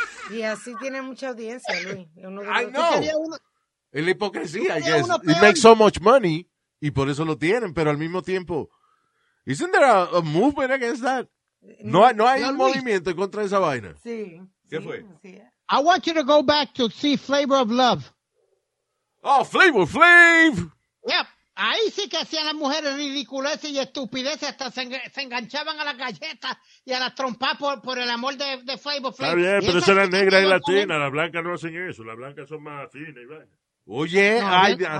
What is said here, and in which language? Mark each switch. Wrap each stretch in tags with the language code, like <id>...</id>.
<es>Y así tiene mucha audiencia, Luis.</es> <en>I know.</en> <es>Es la hipocresía,</es> <en>I guess. It makes so much money</en> <es>y por eso lo tienen, pero al mismo tiempo,</es> <en>isn't there a movement against that?</en> <es>No hay un movimiento en contra de esa vaina. Sí. ¿Qué fue?</es> <en>I want you to go back to see Flavor of Love. Oh, Flavor, Flav! Yep.</en> <es>Ahí sí que hacían las mujeres ridiculeces y estupideces, hasta se enganchaban a las galletas y a las trompas por el amor de Flavor, Flav. Está bien, pero esa es la negra y latina, las blancas no hacen eso, las blancas son más finas y vainas. Oye, ay, Dios mío.</es>